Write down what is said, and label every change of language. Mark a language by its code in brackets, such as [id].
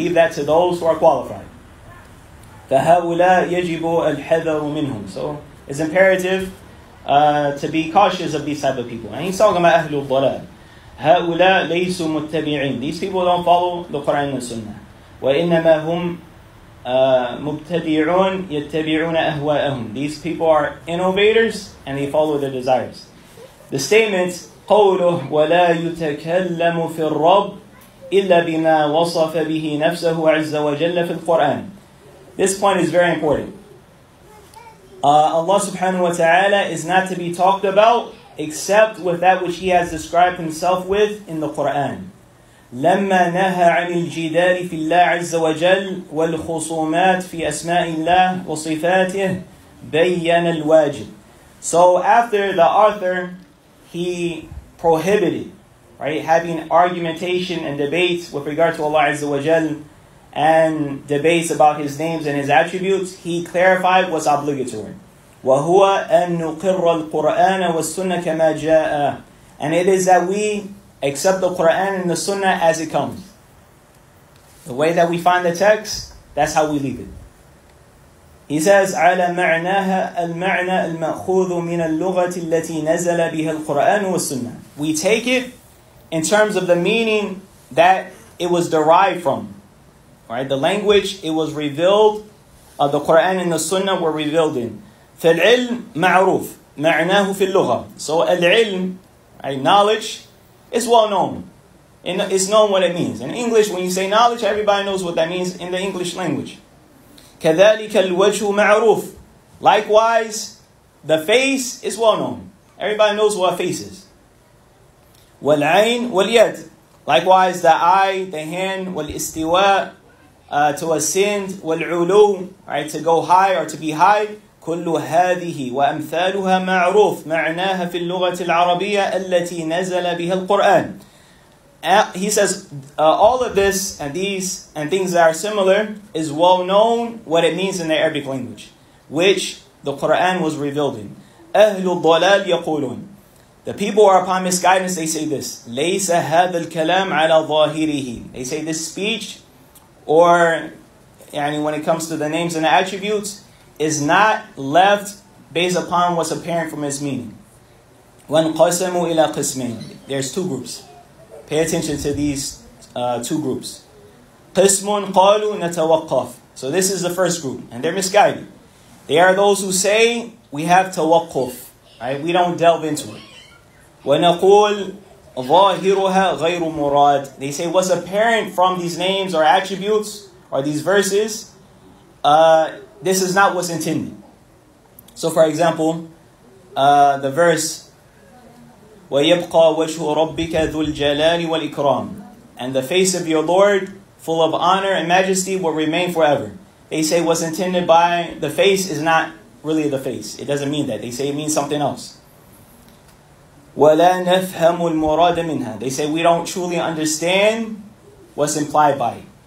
[en] Leave that to those who are qualified. [ar] فَهَوْلَا يَجِبُ الْحَذَرُ مِنْهُمْ [en] So it's imperative to be cautious of these type of people. And he's talking about [ar] أَهْلُ الضَّلَالِ هَؤُلَاء لَيْسُ مُتَّبِعِينَ [en] These people don't follow the Qur'an and the Sunnah. [ar] وَإِنَّمَا هُمْ مُبْتَدِعُونَ يَتَّبِعُونَ أَهْوَاءَهُمْ [en] These people are innovators and they follow their desires. The statement, [ar] قَوْلُهُ وَلَا يُتَكَلَّمُ فِي الرَّبِّ إِلَّا بِمَا وَصَفَ بِهِ نَفْسَهُ عَزَّ وَجَلَّ فِي الْقُرْآنِ [en] This point is very important. Allah subhanahu wa ta'ala is not to be talked about except with that which He has described Himself with in the Qur'an. [ar] لما نهى عن الجدال في الله عز وجل والخصومات في أسماء الله وصفاته بيّن الواجب. [en] So after the author, he prohibited, right, having argumentation and debates with regard to Allah Azza wa Jal and debates about His names and His attributes, he clarified what's obligatory. [ar] وَهُوَ أَن نُقِرَّ الْقُرْآنَ وَالسُّنَّةَ كَمَا جَاءَ. [en] And it is that we accept the Qur'an and the Sunnah as it comes. The way that we find the text, that's how we leave it. He says, [ar] عَلَى مَعْنَاهَا الْمَعْنَى الْمَأْخُوذُ مِنَ اللُّغَةِ الَّتِي نَزَلَ بِهَا الْقُرْآنُ وَالسُّنَّةِ. [en] We take it in terms of the meaning that it was derived from. Right? The language, it was revealed, the Qur'an and the Sunnah were revealed in. [ar] فَالْعِلْمْ مَعْرُوف مَعْنَاهُ فِي اللُّغَةِ. [en] So, al-ilm, right, knowledge, is well known. It's known what it means. In English, when you say knowledge, everybody knows what that means in the English language. [ar] كذلك الوجه معروف. [en] Likewise, the face is well known. Everybody knows what a face is. [ar] والعين واليد. [en] Likewise, the eye, the hand, والاستواء, to ascend, والعلو, right, to go high or to be high. [ar] كل هذه وأمثالها معروف معناها في اللغة العربية التي نزل بها القرآن. [en] He says, all of this and these and things that are similar is well known what it means in the Arabic language, which the Quran was revealed in. [ar] أهل الضلال يقولون. [en] The people who are upon misguidance, they say this. [ar] ليس هذا الكلام على ظاهره. [en] They say this speech, or يعني when it comes to the names and the attributes, is not left based upon what's apparent from its meaning. [ar] وانقسموا إلى قسمين. [en] There's two groups. Pay attention to these two groups. [ar] قِسْمٌ قَالُوا نَتَوَقَّفْ. [en] So this is the first group, and they're misguided. They are those who say, we have tawakkuf, right? We don't delve into it. [ar] وَنَقُولْ ظَاهِرُهَا غَيْرُ مُرَادٍ. [en] They say, what's apparent from these names or attributes, or these verses, this is not what's intended. So for example, the verse, [ar] وَيَبْقَى وَجْهُ رَبِّكَ ذُو الْجَلَالِ وَالْإِكْرَامِ. [en] And the face of your Lord, full of honor and majesty, will remain forever. They say what's intended by the face is not really the face. It doesn't mean that. They say it means something else. [ar] وَلَا نَفْهَمُ الْمُرَادَ مِنْهَا. [en] They say we don't truly understand what's implied by it.